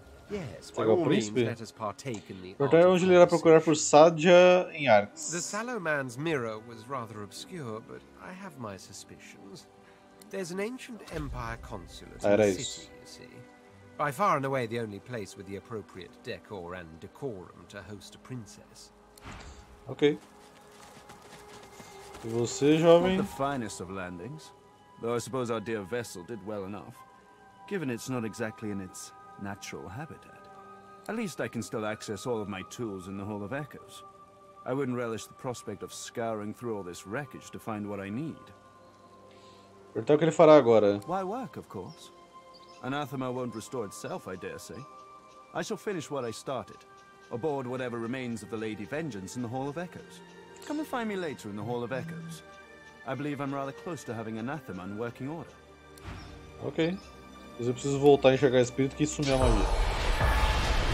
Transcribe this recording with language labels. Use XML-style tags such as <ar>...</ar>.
<en>Yes, by all means, let us partake in the art.</en> <pt>Onde ele irá procurar por Sádia em Arx?</pt> <en>The sallow man's mirror was rather obscure, but I have my suspicions. There's an ancient empire consulate in the city, you see. By far and away the only place with the appropriate decor and decorum to host a princess. Okay.</en> <pt>E você, jovem?</pt> <en>Not the finest of landings, though I suppose our dear vessel did well enough, given it's not exactly in its natural habitat. At least I can still access all of my tools in the Hall of Echoes. I wouldn't relish the prospect of scouring through all this wreckage to find what I need.</en> <pt>Então, o que ele fará agora?</pt> <en>Why work, of course. Anathema won't restore itself, I dare say. I shall finish what I started, aboard whatever remains of the Lady Vengeance in the Hall of Echoes. Come and find me later in the Hall of Echoes. I believe I'm rather close to having Anathema in working order. Okay.</en> <pt>Mas eu preciso voltar a enxergar espírito que sumiu a magia.</pt>